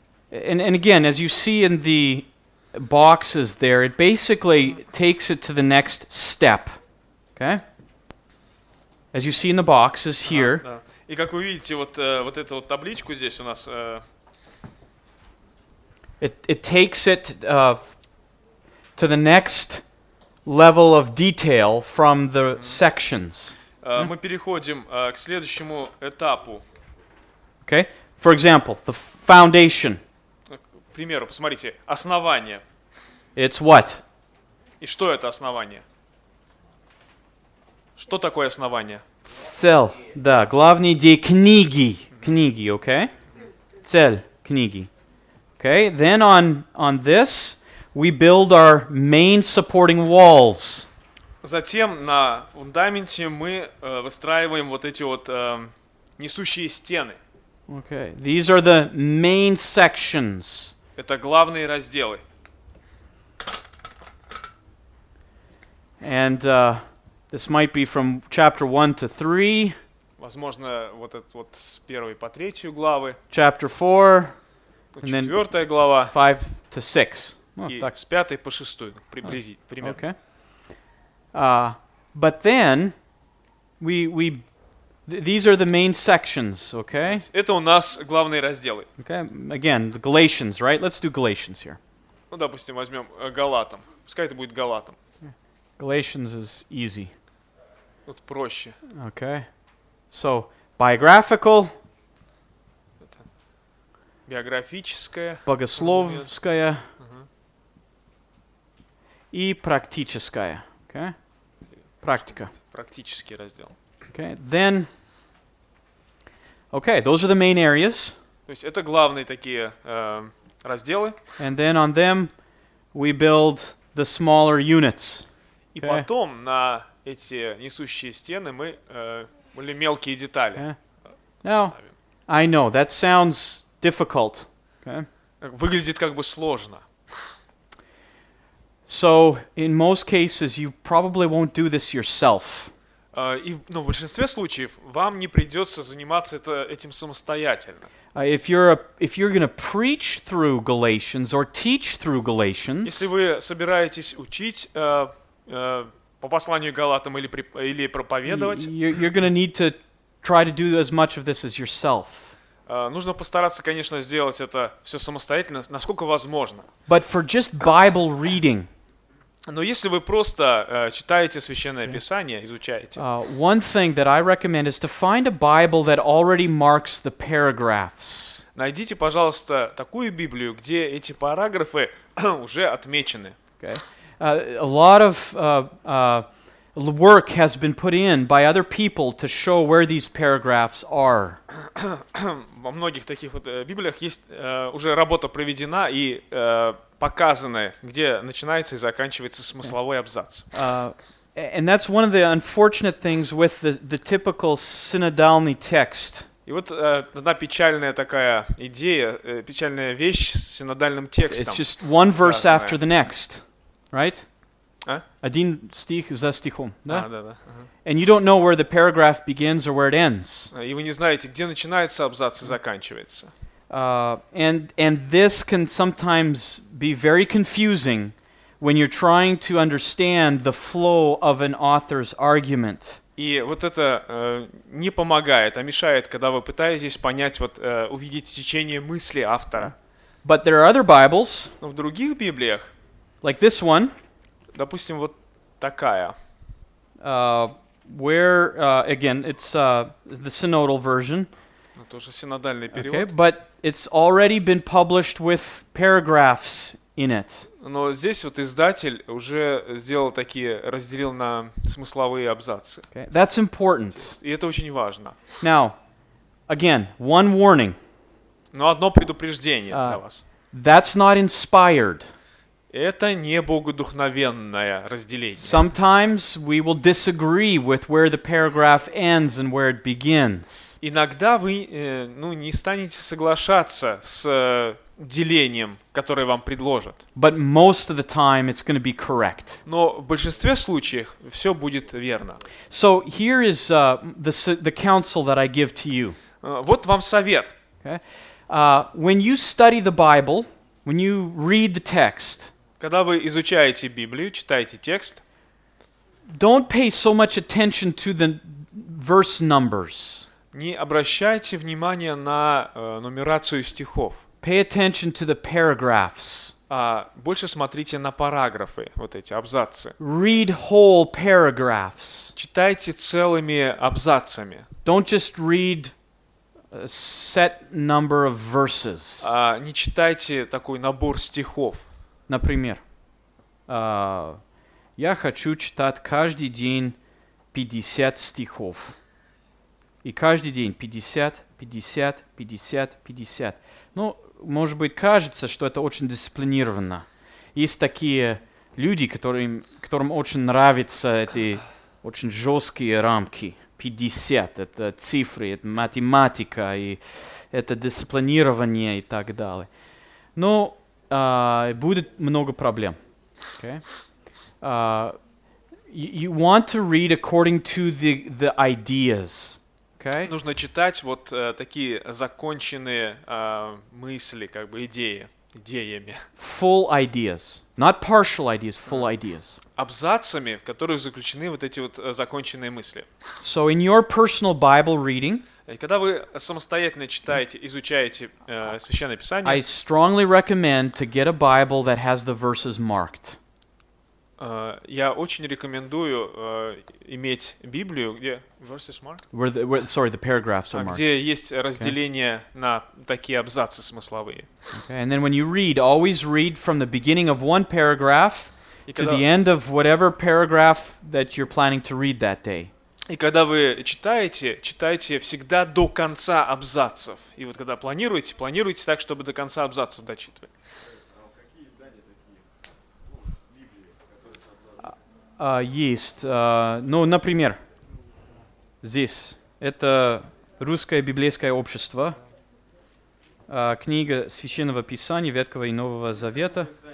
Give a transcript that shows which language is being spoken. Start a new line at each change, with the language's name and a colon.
English: And again, as you see in the boxes there, it basically takes it to the next step. Okay? As you see in the boxes here.
Russian: И как вы видите, вот эту вот табличку здесь у нас...
English: It takes it to the next level of detail from the sections.
Russian: мы переходим к следующему этапу.
English: Okay. For example, the foundation.
Russian: К примеру, посмотрите, основание.
English: It's what?
Russian: И что это основание? Что такое основание? Цель, да, главная идея книги, книги, okay? Цель книги.
English: Okay, then on this we build our main supporting walls.
Russian: Затем на фундаменте мы выстраиваем вот эти вот несущие стены.
English: Okay, these are the main sections.
Russian: Это главные разделы.
English: And this might be from chapter 1 to 3.
Russian: Возможно, вот этот вот с первой по третью главы.
English: Chapter 4. And then 4 глава. 5 to 6.
Russian: Ну, так, с пятой по шестую примерно.
English: Okay. But then these are the main sections, okay?
Russian: Это у нас главные разделы.
English: Okay. Again, the Galatians, right? Let's do Galatians here.
Russian: Ну, допустим, возьмём Галатам. Пускай это будет Галатам.
English: Galatians is easy.
Russian: Вот проще.
English: Okay. So, biographical.
Russian: Это биографическое. Богословское. И практическое. Okay? Практика. Практический раздел.
English: Okay. Then, okay, those are the main areas.
Russian: То есть это главные такие разделы.
English: And then on them we build the smaller units.
Russian: И okay. Потом на эти несущие стены мы были мелкие детали.
English: Okay. Now, I know, that sounds difficult. Okay.
Russian: Выглядит как бы сложно.
English: So, in most cases, you probably won't do this yourself.
Russian: Но в большинстве случаев вам не придется заниматься этим самостоятельно.
English: If you're going to preach through Galatians or teach through Galatians,
Russian: если вы собираетесь учить по посланию Галатам или проповедовать,
English: you're going to need to try to do as much of this as yourself.
Russian: Нужно постараться, конечно, сделать это все самостоятельно, насколько возможно.
English: But for just Bible reading.
Russian: Но если вы просто читаете Священное okay. Писание, изучаете.
English: One thing that I recommend is to find a Bible that already marks the paragraphs.
Russian: Найдите, пожалуйста, такую Библию, где эти параграфы уже отмечены.
English: Okay. A lot of work has been put in by other people to show where these paragraphs are.
Russian: Во многих таких вот Библиях есть уже работа проведена и показаны, где начинается и заканчивается смысловой абзац.
English: And that's one of the unfortunate things with the typical synodal text.
Russian: И вот одна печальная такая идея, печальная вещь с синодальным текстом.
English: It's just one verse разная. After the next, right?
Russian: Один стих за стихом, да?
English: And you don't know where the paragraph begins or where it ends.
Russian: И вы не знаете, где начинается абзац и заканчивается.
English: And this can sometimes be very confusing when you're trying to understand the flow of an author's argument.
Russian: И вот это не помогает, а мешает, когда вы пытаетесь понять, вот увидеть течение мысли автора.
English: But there are other Bibles.
Russian: Но в других Библиях.
English: Like this one.
Russian: Допустим, вот такая.
English: Where again, it's the Synodal version.
Russian: Тоже синодальный перевод.
English: Okay, but it's already been published with paragraphs in it.
Russian: Но здесь вот издатель уже сделал такие, разделил на смысловые абзацы.
English: Okay, that's important.
Russian: И это очень важно.
English: Now, again, one warning.
Russian: Но одно предупреждение для вас.
English: That's not inspired.
Russian: Это не богодухновенное разделение.
English: Sometimes we will disagree with where the paragraph ends and where it begins.
Russian: Иногда вы не станете соглашаться с делением, которое вам предложат.
English: But most of the time it's going to be correct.
Russian: Но в большинстве случаев все будет верно.
English: So here is the counsel that I give to you.
Russian: Вот вам совет.
English: Okay. When you study the Bible, when you read the text,
Russian: когда вы изучаете Библию, читаете текст,
English: don't pay so much attention to the verse numbers.
Russian: Не обращайте внимания на нумерацию стихов.
English: Pay attention to the paragraphs.
Russian: Больше смотрите на параграфы, вот эти абзацы.
English: Read whole paragraphs.
Russian: Читайте целыми абзацами.
English: Don't just read a set number of verses.
Russian: Не читайте такой набор стихов. Например, я хочу читать каждый день 50 стихов. И каждый день 50, 50, 50, 50. Ну, может быть, кажется, что это очень дисциплинированно. Есть такие люди, которым очень нравятся эти очень жесткие рамки. 50 — это цифры, это математика, и это дисциплинирование и так далее. Но будет много проблем. Okay?
English: You want to read according to the ideas. Okay?
Russian: Нужно читать вот такие законченные мысли, как бы идеями.
English: Full ideas, not partial ideas, full ideas.
Russian: Абзацами, в которых заключены вот эти вот законченные мысли.
English: So in your personal Bible reading,
Russian: когда вы самостоятельно читаете, изучаете Священное Писание,
English: I strongly recommend to get a Bible that has the verses marked.
Russian: Я очень рекомендую иметь Библию, где
English: verses marked. The paragraphs are marked.
Russian: Где есть разделение на такие абзацы смысловые.
English: Okay. And then when you read, always read from the beginning of one paragraph to the end of whatever paragraph that you're planning to read that day.
Russian: И когда вы читаете, читайте всегда до конца абзацев. И вот когда планируете, планируете так, чтобы до конца абзацев дочитывать. Например, здесь это Русское библейское общество, книга Священного Писания Ветхого и Нового Завета.